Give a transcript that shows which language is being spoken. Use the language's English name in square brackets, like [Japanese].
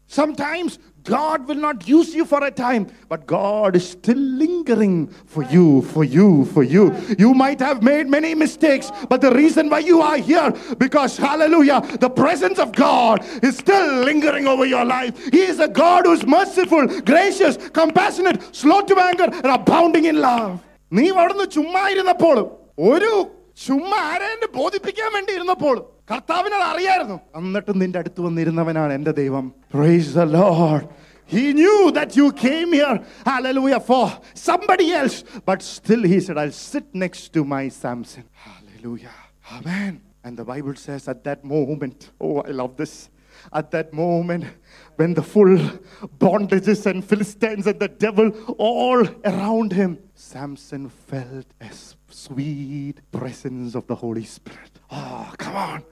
[English] Sometimes God will not use you for a time, but God is still lingering for you, for you, for you. You might have made many mistakes, but the reason why you are here, because, hallelujah, the presence of God is still lingering over your life. He is a God who is merciful, gracious, compassionate, slow to anger, and abounding in love. [Malayalam] Nee varunnu chumma irunappol oru chumma arende bodhipikkan vendi irunappol കർത്താവിനത് അറിയായിരുന്നു. എന്നിട്ടും നിന്റെ അടുത്ത് വന്നിരുന്നവനാണ് എന്റെ ദൈവം. [English] Praise the Lord. He knew that you came here, hallelujah, for somebody else. But still he said, I'll sit next to my Samson. Hallelujah. Amen. And the Bible says at that moment, oh, I love this. At that moment, when the full bondages and Philistines and the devil all around him, Samson felt a sweet presence of the Holy Spirit. Oh, come on.